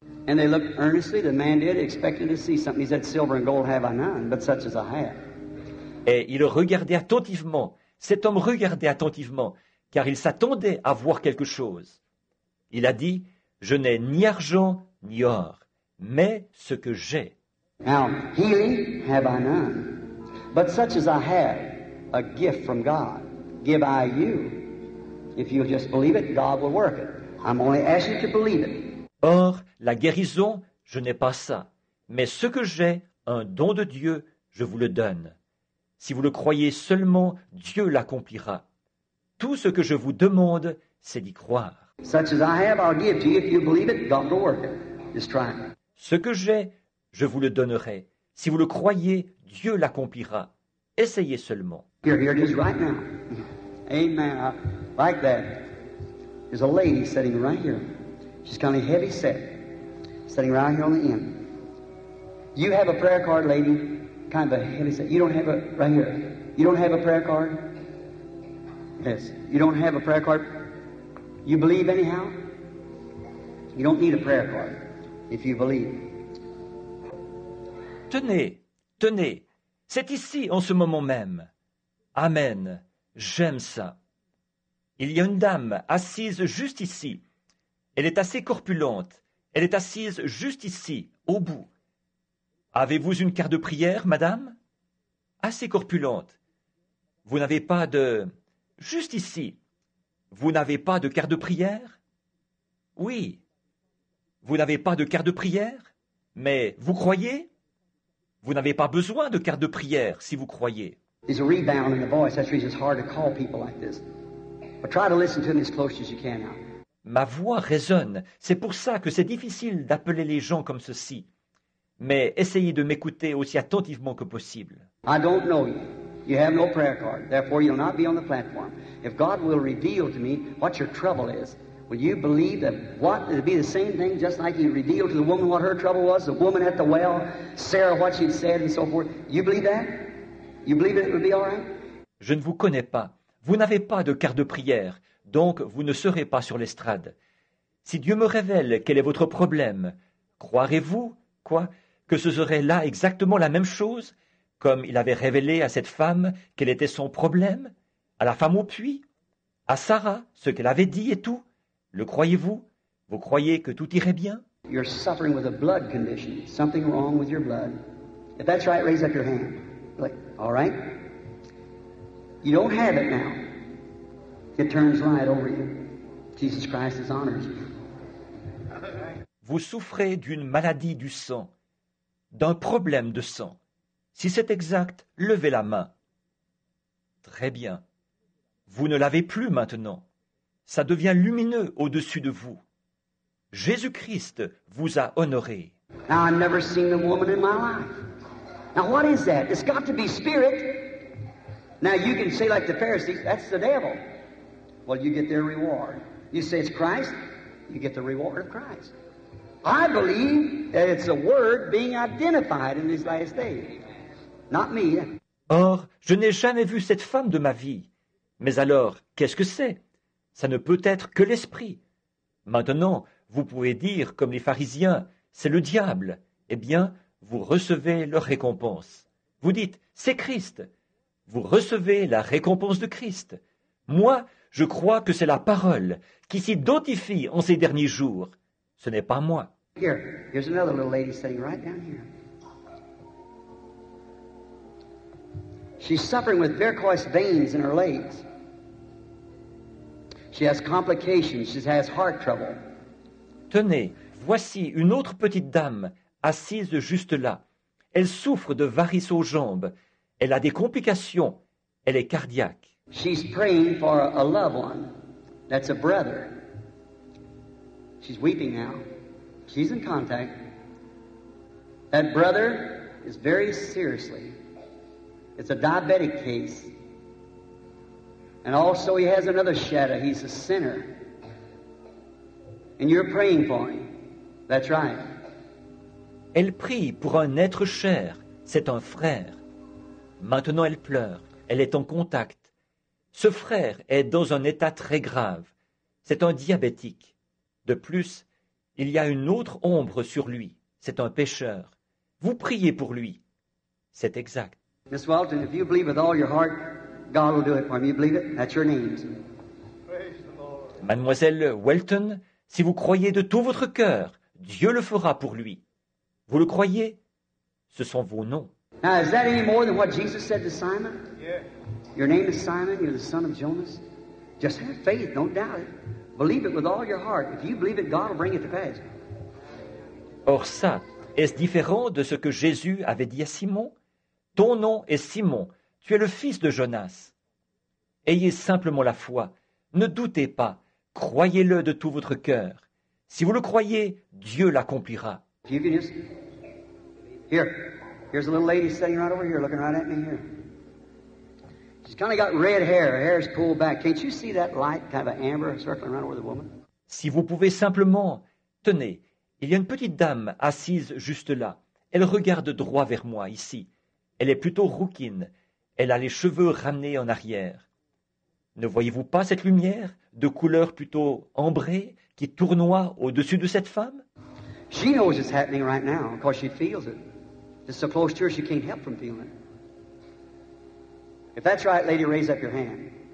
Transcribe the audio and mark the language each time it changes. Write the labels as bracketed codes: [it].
[en] And they looked earnestly, the man did, expecting to see something. He said, silver and gold have I none, but such as I have. [fr] Et il regardait attentivement, cet homme regardait attentivement, car il s'attendait à voir quelque chose. Il a dit, je n'ai ni argent ni or, mais ce que j'ai. [en] Now, healing have I none, but such as I have, a gift from God, give I you. If you just believe it, God will work it. I'm only asking to believe it. [fr] Or, la guérison, je n'ai pas ça. Mais ce que j'ai, un don de Dieu, je vous le donne. Si vous le croyez seulement, Dieu l'accomplira. Tout ce que je vous demande, c'est d'y croire. [en] Such as I have, I'll give to you. If you believe it, God will work it. Just try it. [fr] Ce que j'ai, je vous le donnerai. Si vous le croyez, Dieu l'accomplira. Essayez seulement. [en] Here it is right now. Amen. I like that. There's a lady sitting right here. She's kind of heavy set, sitting right here on the end. You have a prayer card, lady, kind of a heavy set. You don't have a, right here. You don't have a prayer card? Yes. You don't have a prayer card? You believe anyhow? You don't need a prayer card if you believe. [fr] Tenez, tenez. C'est ici en ce moment même. Amen. J'aime ça. Il y a une dame assise juste ici. Elle est assez corpulente. Elle est assise juste ici, au bout. Avez-vous une carte de prière, madame? Assez corpulente. Vous n'avez pas de... Juste ici. Vous n'avez pas de carte de prière? Oui. Vous n'avez pas de carte de prière? Mais vous croyez? Vous n'avez pas besoin de carte de prière si vous croyez. [en] There's a rebound in the voice. That's the reason it's hard to call people like this. But try to listen to them as close as you can now. [fr] Ma voix résonne. C'est pour ça que c'est difficile d'appeler les gens comme ceci. Mais essayez de m'écouter aussi attentivement que possible. [en] I don't know you. You have no prayer card. Therefore, you'll not be on the platform. If God will reveal to me what your trouble is, will you believe that what it'll be the same thing just like he revealed to the woman what her trouble was, the woman at the well, Sarah, what she'd said and so forth. You believe that? You believe that it would be all right? [fr] Je ne vous connais pas. Vous n'avez pas de carte de prière. Donc, vous ne serez pas sur l'estrade. Si Dieu me révèle quel est votre problème, croirez-vous, quoi, que ce serait là exactement la même chose, comme il avait révélé à cette femme quel était son problème, à la femme au puits, à Sarah, ce qu'elle avait dit et tout? Le croyez-vous? Vous croyez que tout irait bien? [en] You're suffering with a blood condition. Something wrong with your blood. If that's right, raise up your hand. All right? You don't have it now. It turns light over you. Jesus Christ has honored you. [fr] Vous souffrez d'une maladie du sang, d'un problème de sang. Si c'est exact, levez la main. Très bien. Vous ne l'avez plus maintenant. Ça devient lumineux au-dessus de vous. Jésus-Christ vous a honoré. [en] Now, I've never seen a woman in my life. Now, what is that? It's got to be spirit. Now, you can say like the Pharisees, that's the devil. Well, you get their reward. You say it's Christ, you get the reward of Christ. I believe that it's a word being identified in these last days. Not me. [fr] Or, je n'ai jamais vu cette femme de ma vie. Mais alors, qu'est-ce que c'est? Ça ne peut être que l'esprit. Maintenant, vous pouvez dire, comme les pharisiens, c'est le diable. Eh bien, vous recevez leur récompense. Vous dites, c'est Christ. Vous recevez la récompense de Christ. Moi, je crois que c'est la parole qui s'identifie en ces derniers jours. Ce n'est pas moi. [en] Here, here's another little lady sitting right down here. She's suffering with varicose veins in her legs. She has complications. She has heart trouble. [fr] Tenez, voici une autre petite dame assise juste là. Elle souffre de varices aux jambes. Elle a des complications. Elle est cardiaque. [en] She's praying for a loved one. That's a brother. She's weeping now. She's in contact. That brother is very seriously. It's a diabetic case. And also he has another shadow. He's a sinner. And you're praying for him. That's right. [fr] Elle prie pour un être cher. C'est un frère. Maintenant elle pleure. Elle est en contact. Ce frère est dans un état très grave. C'est un diabétique. De plus, il y a une autre ombre sur lui. C'est un pécheur. Vous priez pour lui. C'est exact. [en] Miss Walton, if you believe with all your heart, God will do it for me. You believe it? That's your name. Praise the Lord. [fr] Mademoiselle Walton, si vous croyez de tout votre cœur, Dieu le fera pour lui. Vous le croyez? Ce sont vos noms. [en] Now, is that any more than what Jesus said to Simon? Yeah. Your name is Simon. You're the son of Jonas. Just have faith. Don't doubt it. Believe it with all your heart. If you believe it, God will bring it to pass. [fr] Or ça, est-ce différent de ce que Jésus avait dit à Simon? Ton nom est Simon. Tu es le fils de Jonas. Ayez simplement la foi. Ne doutez pas. Croyez-le de tout votre cœur. Si vous le croyez, Dieu l'accomplira. [en] If you can just... Here. Here's a little lady sitting right over here, looking right at me here. She's kind of got red hair. Her hair is pulled back. Can't you see that light, kind of an amber, circling right over the woman? [fr] Si vous pouvez simplement... Tenez, il y a une petite dame assise juste là. Elle regarde droit vers moi, ici. Elle est plutôt rouquine. Elle a les cheveux ramenés en arrière. Ne voyez-vous pas cette lumière, de couleur plutôt ambrée, qui tournoie au-dessus de cette femme? [en] She knows it's happening right now, because she feels it. It's so close to her, she can't help from feeling it. If that's right, lady, raise up your hand.